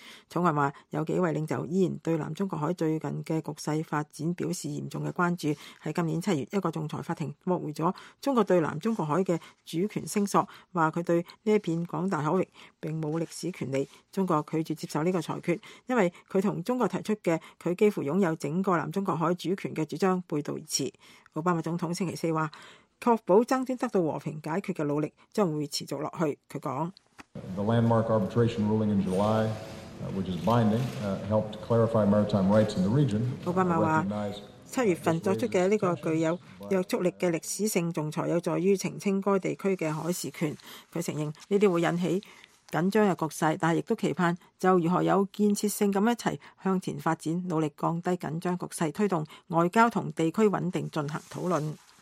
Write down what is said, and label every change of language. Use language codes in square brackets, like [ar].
[zh] 草案说有几位领袖依然对南中国海最近的局势发展表示严重的关注，在今年7月一个仲裁法庭驳回了中国对南中国海的主权声索，说他对这片广大海域并没有历史权利。中国拒绝接受这个裁决，因为他和中国提出的他几乎拥有整个南中国海主权的主张背道而驰。奥巴马总统星期四说确保争端得到和平解决的努力将会持续下去。他说 [en] The landmark arbitration ruling in July, which is binding, helped clarify maritime rights in the region. [zh] 奥巴马说七月份作出的这个具有约束力的历史性仲裁有助于澄清该地区的海事权。他承认这些会引起紧张的局势，但亦都期盼就如何有建设性地一起向前发展，努力降低紧张局势，推动外交和地区稳定进行讨论。